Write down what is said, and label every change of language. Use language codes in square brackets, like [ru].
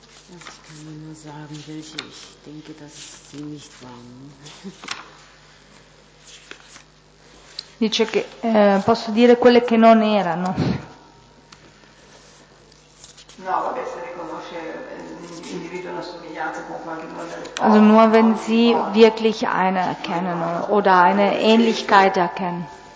[de] Ich kann mir nur sagen, welche ich denke, dass sie nicht waren. [it] Dice che posso dire quelle che non erano. No, vabbè, se riconosce l'individuo una somiglianza con qualche modello. [de] Also nur wenn sie wirklich eine erkennen oder eine Ähnlichkeit erkennen.